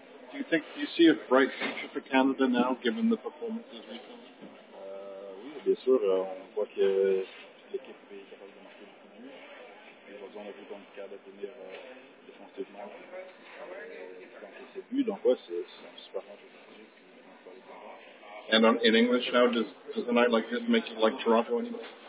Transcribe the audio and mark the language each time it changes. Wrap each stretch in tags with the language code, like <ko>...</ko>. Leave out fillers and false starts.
<en>Do you think you see a bright future for Canada now given the performances recently?</en> <fr>Oui, bien sûr, on voit que l'équipe est capable de marquer beaucoup de buts. On a vu dans le cadre à tenir défensivement et ses buts. Donc, ouais, c'est un super match aujourd'hui.</fr> <en>And in English now, does a night like this make you like Toronto anymore?</en>